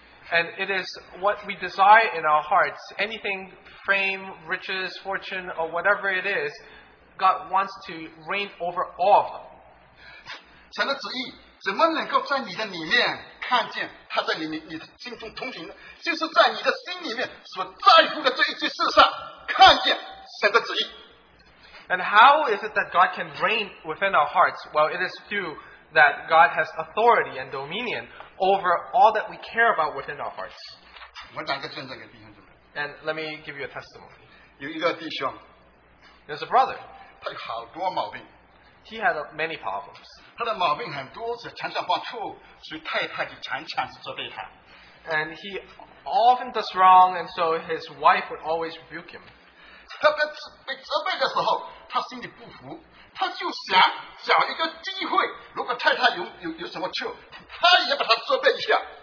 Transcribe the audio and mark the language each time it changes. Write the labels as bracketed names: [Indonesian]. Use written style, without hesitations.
[English] And it is what we desire in our hearts, anything, fame, riches, fortune, or whatever it is, God wants to reign over all of them. [Chinese] 神的旨意,怎么能够在你的里面看见,他在你的心中通行,就是在你的心里面所在乎的这一切事上,看见神的旨意。 [English] And how is it that God can reign within our hearts? Well, it is through that God has authority and dominion over all that we care about within our hearts. And let me give you a testimony. [Chinese] 有一个弟兄, [English] there's a brother. [Chinese] 他有好多毛病, [English] he had many problems. [Chinese] 他的毛病很多, [English] and he often does wrong, and so his wife would always rebuke him. [Chinese] 他被责备的时候, 他就想找一个机会,如果太太有什么错,他也把他责备一下。